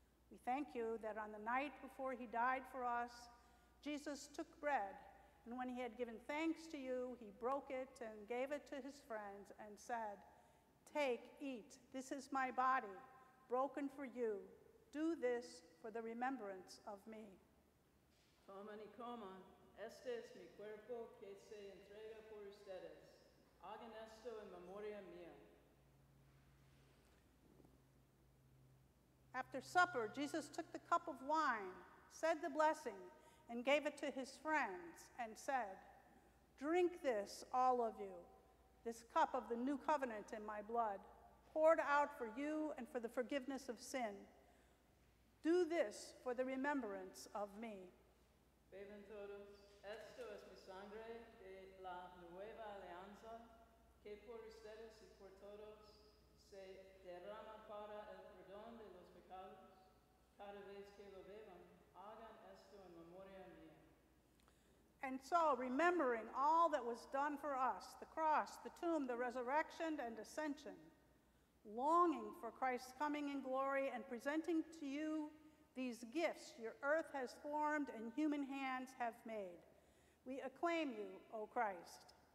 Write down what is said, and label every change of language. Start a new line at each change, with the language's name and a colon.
English: We thank you that on the night before he died for us, Jesus took bread, and when he had given thanks to you, he broke it and gave it to his friends and said, "Take, eat, this is my body, broken for you. Do this for the remembrance of me."
Spanish: Coman y coman, este es mi cuerpo que se entrega por ustedes. Hagan esto en memoria mía.
English: After supper, Jesus took the cup of wine, said the blessing, and gave it to his friends, and said, "Drink this, all of you, this cup of the new covenant in my blood, poured out for you and for the forgiveness of sin. Do this for the remembrance of me."
Spanish: Beben todos, esto es mi sangre de la nueva alianza, que por ustedes y por todos se derrama para el perdón de los pecados. Cada vez que lo beban, hagan esto en memoria mía.
English: And so, remembering all that was done for us, the cross, the tomb, the resurrection, and ascension, longing for Christ's coming in glory and presenting to you these gifts your earth has formed and human hands have made, we acclaim you, O Christ.